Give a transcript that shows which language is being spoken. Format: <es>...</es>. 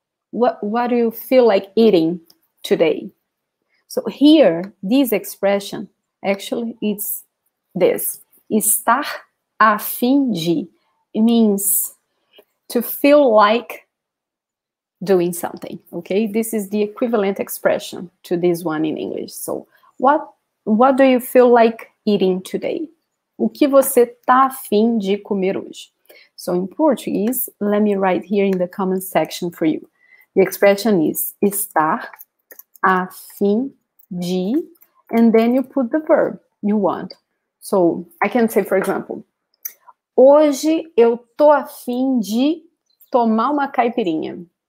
<en>What do you feel like eating today? So here, this expression, actually it's this.</en> <pt>Estar a fim de.</pt> <en>It means to feel like doing something. Okay, this is the equivalent expression to this one in English. So what do you feel like eating today?</en> <pt>O que você tá afim de comer hoje?</pt> <en>So in Portuguese, let me write here in the comment section for you. The expression is</en> <pt>estar a fim de,</pt> <en>and then you put the verb you want. So I can say, for example,</en> <pt>hoje eu tô a fim de tomar uma caipirinha.</pt>